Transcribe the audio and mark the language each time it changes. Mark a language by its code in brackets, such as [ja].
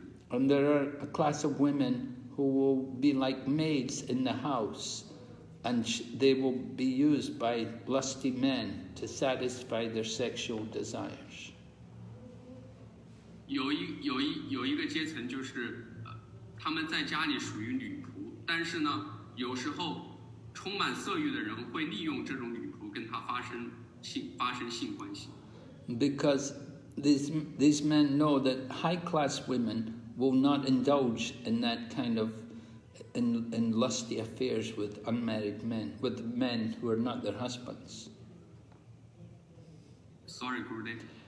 [en] And there are a class of women who will be like maids in the house, and they will be used by lusty men to satisfy their sexual desires. [zh] 有一个阶层就是, 他们在家里属于女仆, 但是呢, 有时候, 充满色欲的人会利用这种女仆跟她发生性关系。 [en] Because these men know that high-class women will not indulge in that kind of in lusty affairs with unmarried men, with men who are not their husbands. Sorry, Gurudev.